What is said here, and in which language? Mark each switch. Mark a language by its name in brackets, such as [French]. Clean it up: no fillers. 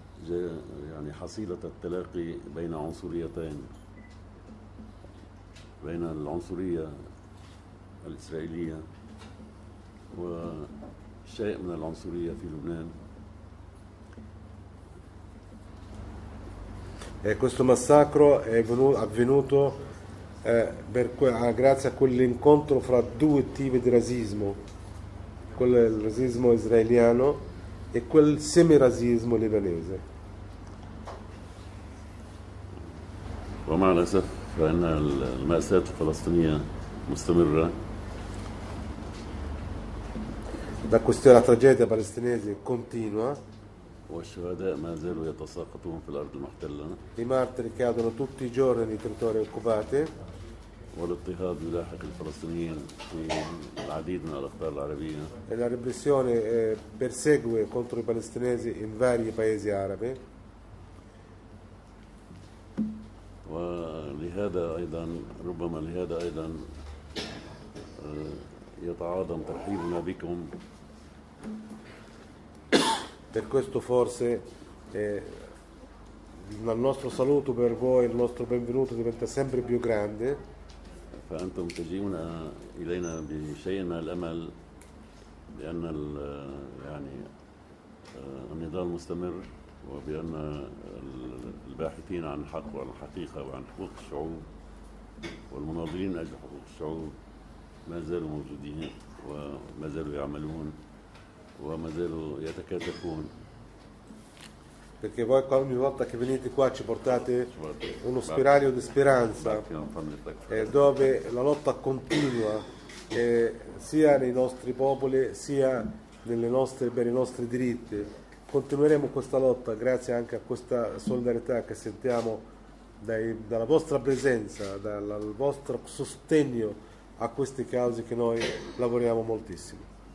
[Arabic] يعني حصيلة التلاقي بين عنصريتين، بين العنصرية الإسرائيلية وشيء من العنصرية في لبنان. [Italian] Questo massacro è avvenuto grazie a quell'incontro fra due tipi di razzismo, quello del razzismo israeliano e quel semirazzismo libanese. [Arabic] ومع الأسف فإن المأساة الفلسطينية مستمرة. [Italian] Da questa tragedia palestinese continua. [Arabic] والشهداء ما زالوا يتساقطون في الأرض المحتلة. [Italian] I martiri cadono tutti i giorni nei territori occupati. [Arabic] والاضطهاد يلاحق الفلسطينيين في العديد من الأقطار العربية. [Italian] E la repressione persegue contro i palestinesi in vari paesi arabi. [Arabic] ولهذا أيضا ربما لهذا أيضا يتعاظم ترحيبنا بكم. [Italian] Per questo forse il nostro saluto per voi, il nostro benvenuto diventa sempre più grande. [Arabic] فأنتم تجيئون إلينا بشيء من الأمل بأن يعني النضال مستمر وبأن الباحثين عن الحق وعن الحقيقة وعن حقوق الشعوب والمناضلين أجل حقوق الشعوب ما زالوا موجودين وما زالوا يعملون وما زالوا يتكاتفون. [Italian] Perché voi ogni volta che venite qua ci portate uno spiraglio di speranza dove la lotta continua sia nei nostri popoli sia nelle nostre, per i nostri diritti. Continueremo questa lotta grazie anche a questa solidarietà che sentiamo dalla vostra presenza, dal vostro sostegno a queste cause che noi lavoriamo moltissimo.